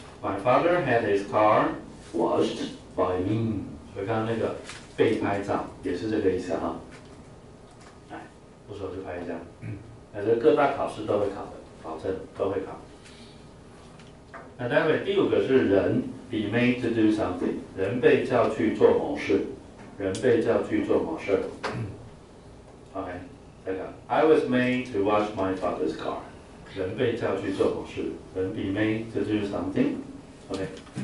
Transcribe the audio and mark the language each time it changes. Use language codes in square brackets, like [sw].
[en] My father had his car washed by me。 [zh] 所以刚刚那个被拍照也是这个意思哈。来，不说就拍一下。那这各大考试都会考的，保证都会考。那待会第五个是人 [en] be made to do something， [zh] 人被叫去做某事，人被叫去做某事。 [en] OK， [zh] 再看 [en] ，I was made to wash my father's car。 [zh] 人被叫去做某事，人 [en] be made to do something。